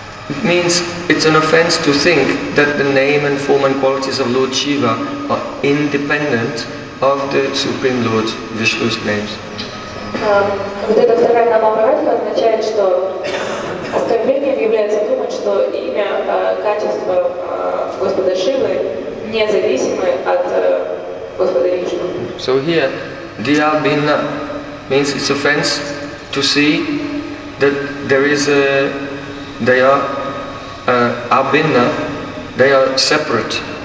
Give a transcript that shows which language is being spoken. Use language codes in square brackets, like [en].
[en] It means it's an offense to think that the name and form and qualities of Lord Shiva are independent of the Supreme Lord Vishnu's names. [ru] Вот эта вторая намаправатика означает, что оскорблением является думать, что имя, качество Господа Шивы независимы от Господа Вишну. [en] So here, Diyabhinna means it's offense to see that there is a Daya, Abhinna, they are separate.